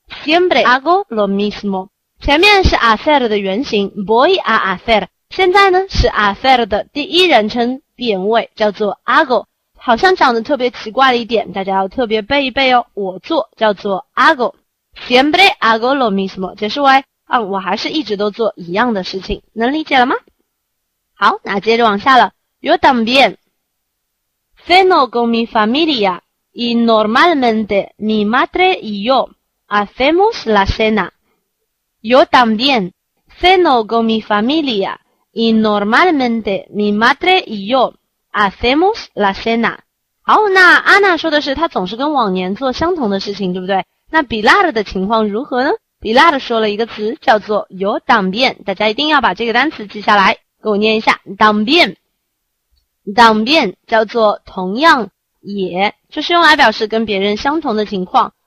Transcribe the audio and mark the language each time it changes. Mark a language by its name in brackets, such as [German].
[Spanish] siempre hago lo mismo， [Chinese] 前面是 hacer 的原型 voy a hacer，现在呢是 hacer 的第一人称变位，叫做 hago， 好像长得特别奇怪了一点，大家要特别背一背哦。我做叫做 hago， [Spanish] siempre hago lo mismo， [Chinese] 解释为我还是一直都做一样的事情，能理解了吗？好，那接着往下了。 [Spanish] Yo también ceno con mi familia y normalmente mi madre y yo hacemos la cena. Yo también ceno con mi familiaY normalmente mi madre y yo hacemos la cena。 [Chinese] 好，那阿娜说的是她总是跟往年做相同的事情，对不对？那比拉的情况如何呢？比拉说了一个词叫做 yo también， 大家一定要把这个单词记下来，给我念一下 también。 también 叫做同样也，就是用来表示跟别人相同的情况。